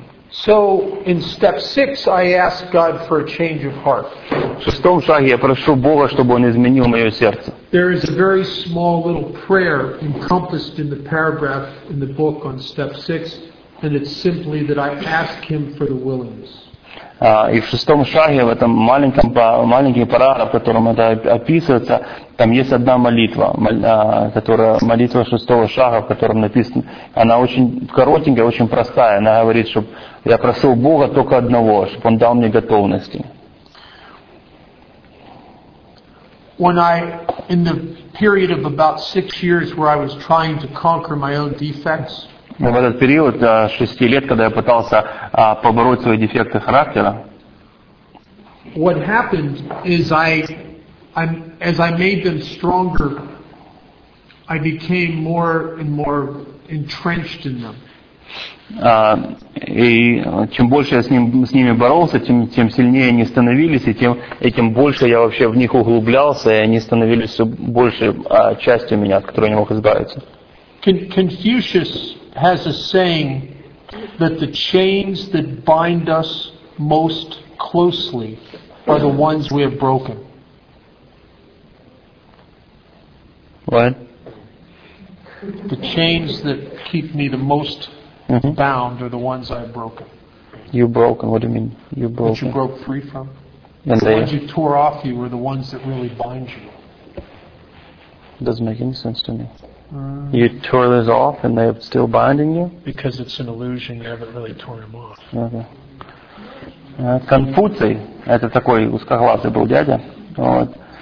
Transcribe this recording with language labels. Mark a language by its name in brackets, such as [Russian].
[English] So in step six, I ask God for a change of heart. [Russian] В шестом шаге я прошу Бога, чтобы Он изменил мое сердце. [English] There is a very small little prayer encompassed in the paragraph in the book on step six, and it's simply that I ask Him for the willingness. [Russian] И в шестом шаге в этом маленький параграф, в котором это описывается, там есть одна молитва, которая молитва шестого шага, в котором написано, она очень коротенькая, очень простая. Она говорит, что я прошу Бога только одного, чтобы Он дал мне готовности. [English] When I in the period of about six years where I was trying to conquer my own defects. [Russian] В этот период шести лет, когда я пытался побороть свои дефекты характера, [English] what happened is as I made them stronger, I became more and more entrenched in them. [Russian] И чем больше я с ними боролся, тем сильнее они становились, и тем больше я вообще в них углублялся, и они становились все больше частью меня, от которой я не мог избавиться. [English] Confucius has a saying that the chains that bind us most closely are the ones we have broken. What? The chains that keep me the most mm-hmm. bound are the ones I have broken. You broken, what do you mean? You broken. That you broke free from. And the ones you tore off you are the ones that really bind you. Doesn't make any sense to me. You tore those off and they're still binding you? Because it's an illusion, you haven't really torn them off. [Russian] Конфуций, это такой узкоглазый был дядя, вот.